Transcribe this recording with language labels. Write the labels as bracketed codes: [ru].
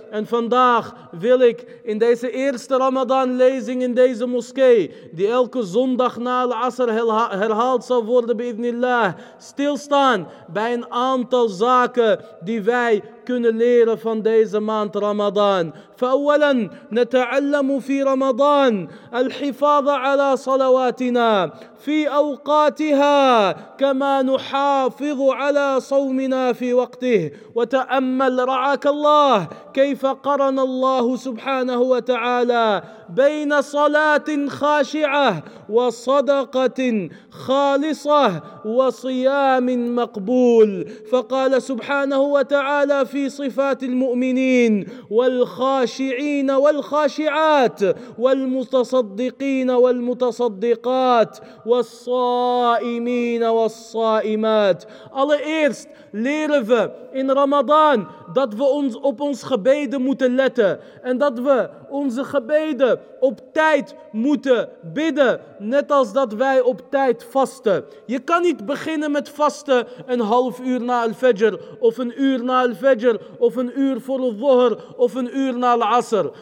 [nl] En vandaag wil ik in deze eerste Ramadan lezing in deze moskee, die elke zondag na al asr herhaald zal worden bij idhnillah, stilstaan bij een aantal zaken die wij kunnen leren van deze maand Ramadan. [ar] فأولا نتعلم في رمضان الحفاظ على صلواتنا في أوقاتها كما نحافظ على صومنا في وقته. وتأمل رعاك الله كيف قرن الله سبحانه وتعالى بين صلاة خاشعة وصدقة خالصة وصيام مقبول. فقال سبحانه وتعالى في صفات المؤمنين: والخاشعين والخاشعات والمتصدقين والمتصدقات والصائمين والصائمات. [nl] Allereerst leren we in Ramadan dat we ons op ons gebeden moeten letten en dat we onze gebeden op tijd moeten bidden, net als dat wij op tijd vasten. Je kan niet beginnen met vasten een half uur na al-fajr, of een uur na al-fajr, of een uur voor al-dhuhr, of een uur na al-asr.